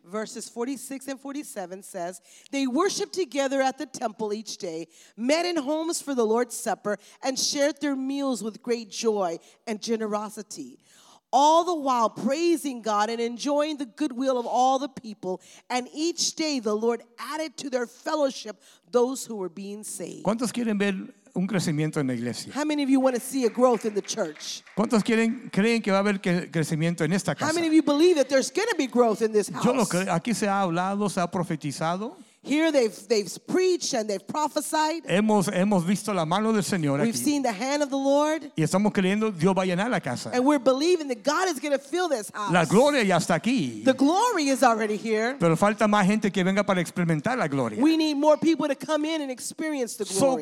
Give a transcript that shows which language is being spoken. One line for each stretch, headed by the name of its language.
English: Verses 46 and 47 says, they worshiped together at the temple each day, met in homes for the Lord's Supper, and shared their meals with great joy and generosity, all the while praising God and enjoying the goodwill of all the people. And each day the Lord added to their fellowship those who were being saved.
Spanish: ¿Cuántos quieren ver un crecimiento en la iglesia?
English: How many of you want to see a growth in the church?
Spanish: ¿Cuántos creen que va a haber crecimiento en esta casa?
English: How many of you believe that there's going to be growth in this house?
Spanish: Yo lo creo. Aquí se ha hablado, se ha profetizado.
English: Here they've preached and they've prophesied.
Spanish: Hemos visto la mano del Señor.
English: We've
Spanish: aquí.
English: Seen the hand of the Lord.
Spanish: Y estamos creyendo Dios va a llenar la casa.
English: And we're believing that God is going to fill this house.
Spanish: La gloria ya está aquí.
English: The glory is already here.
Spanish: Pero falta más gente que venga para experimentar la gloria.
English: We need more people to come in and experience the glory.